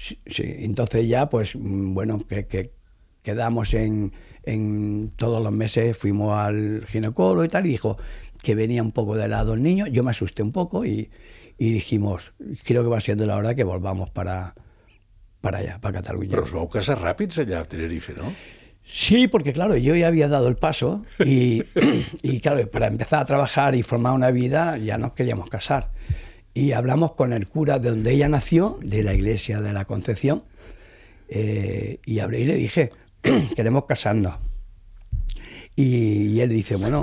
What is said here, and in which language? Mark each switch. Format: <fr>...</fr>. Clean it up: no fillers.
<es>Sí, sí, entonces ya, pues bueno, que quedamos en... En todos los meses fuimos al ginecólogo y tal, y dijo que venía un poco de lado el niño. Yo me asusté un poco y dijimos, creo que va siendo la hora que volvamos para allá, para Cataluña.</es> <ca>Pero os vau casar ràpids allà a Tenerife, ¿no?</ca> <es>Sí, porque claro, yo ya había dado el paso y claro, para empezar a trabajar y formar una vida ya nos queríamos casar. Y hablamos con el cura de donde ella nació, de la iglesia de la Concepción, y hablé y le dije... Queremos casarnos. Y él dice, bueno...</es>